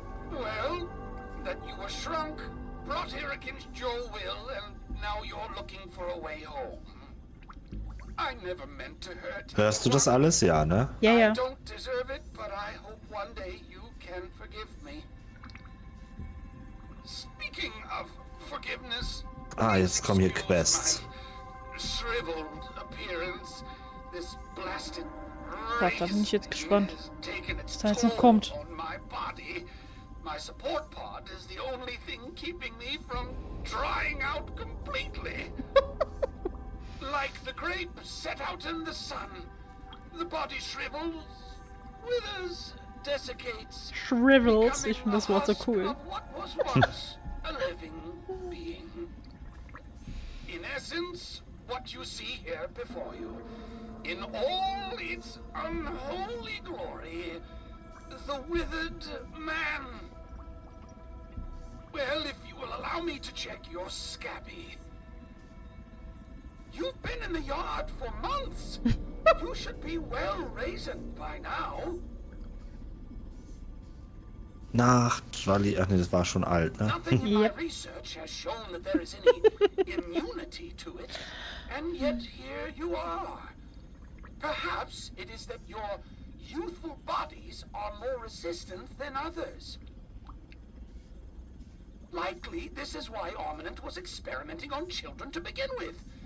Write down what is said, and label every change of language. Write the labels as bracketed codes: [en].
[en] Well, that you were shrunk, brought here against your will, and now you're looking for a way home. I never meant to hurt. [de] Hörst du das alles? Ja, ne? Ja, ja. [en] I don't deserve it, but I hope one day you can forgive me. Speaking of forgiveness. [de] Ah, jetzt kommen hier Quests. [en] Shriveled appearance. This blasted race. [de] Da bin ich jetzt gespannt. Das heißt, noch kommt. [en] My support pod is the only thing keeping me from drying out completely. Like the grape set out in the sun, the body shrivels, withers, desiccates. [de] Shrivels, ich finde das Wort so cool. [en] What was once a living being. In essence, what you see here before you, in all its unholy glory, the withered man. Well, if you will allow me to check your scabby. You've been in the yard for months. You should be well raisoned by now. [de] Nach Jolly, ach nee, das war schon alt, ne? [en] Nothing in my research has shown that there is any immunity to it. And yet here you are. Perhaps it is that your youthful bodies are more resistant than others. Likely this is why Ominent was experimenting on children to begin with.